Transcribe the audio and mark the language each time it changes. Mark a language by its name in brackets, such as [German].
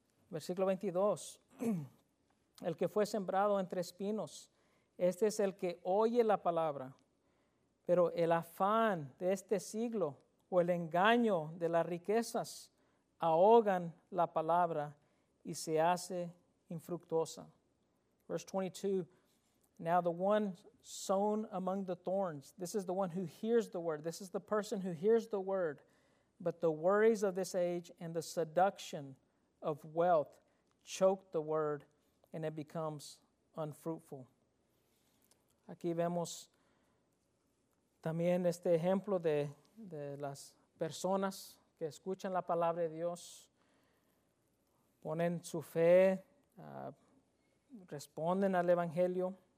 [Spanish] Versículo 22, el que fue sembrado entre espinos, este es el que oye la palabra, pero el afán de este siglo o el engaño de las riquezas ahogan la palabra y se hace infructuosa. [English] Verse 22, now the one sown among the thorns, this is the one who hears the word. This is the person who hears the word. But the worries of this age and the seduction of wealth choke the word and it becomes unfruitful. [Spanish] Aquí vemos también este ejemplo de las personas que escuchan la palabra de Dios, ponen su fe, responden al evangelio.